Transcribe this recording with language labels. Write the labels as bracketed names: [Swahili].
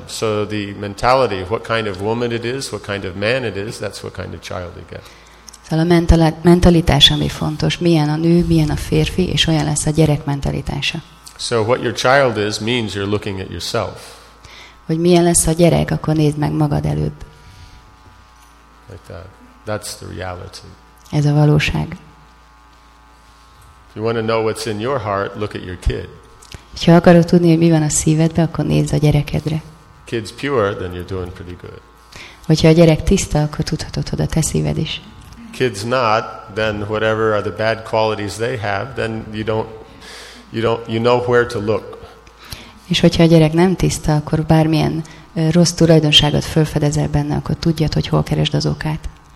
[English] So the mentality of what kind of woman it is, what kind of man it is, that's what kind of child you get. [Hungarian] Szóval a mentalitás, ami fontos, milyen a nő, milyen a férfi, és olyan lesz a gyerek mentalitása. [English] So what your child is means you're looking at yourself. [Hungarian] Hogy milyen lesz a gyerek, akkor nézd meg magad előbb. [English] Like that. That's the reality. [Hungarian] Ez a valóság. [English] If you want to know what's in your heart, look at your kid. [Hungarian] Ha akarod tudni, hogy mi van a szívedben, akkor nézd a gyerekedre. [English] Kid's pure, then you're doing pretty good. [Hungarian] Hogyha a gyerek tiszta, akkor tudhatod, hogy a te szíved is. [English] Kid's not, then whatever are the bad qualities they have, then you know where to look. [Hungarian] És hogyha a gyerek nem tiszta, akkor bármilyen rossz tulajdonságot felfedezel benne, akkor tudjad, hogy hol keresd az okát.